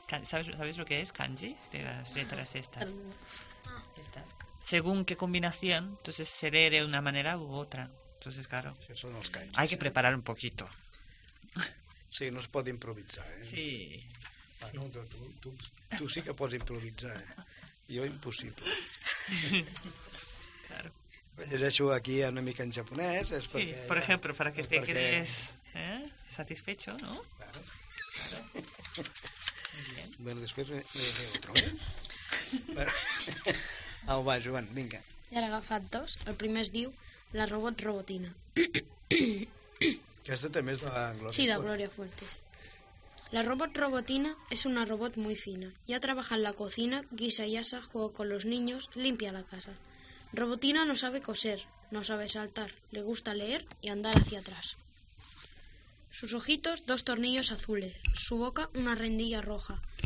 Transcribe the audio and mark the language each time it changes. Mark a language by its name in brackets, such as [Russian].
[Spanish] ¿Sabéis lo que es kanji? De las letras estas. Esta. Según qué combinación, entonces se lee de una manera u otra. Entonces, claro. Sí, son los kanjis. Hay que preparar un poquito. Sí, no se puede improvisar. ¿Eh? Sí. Bueno, sí. Tú sí que puedes improvisar. Yo, imposible. Claro. [Catalan] Llegeixo aquí una mica en japonès, és sí, per exemple, [Spanish] para que te [Catalan] perquè... [Spanish] quedes satisfecho, ¿no? Claro. Claro. Bueno, després me otro. Bueno. [Catalan] Va, Joan, vinga. Ja he agafat dos. El primer es diu La robot robotina. Aquesta també és de la Gloria. Sí, de Gloria Fuertes. [Spanish] La robot robotina es una robot muy fina. Ya trabaja en la cocina, guisa y asa, juega con los niños, limpia la casa. Robotina no sabe coser, no sabe saltar, le gusta leer y andar hacia atrás. Sus ojitos, dos tornillos azules. Su boca, una rendija roja.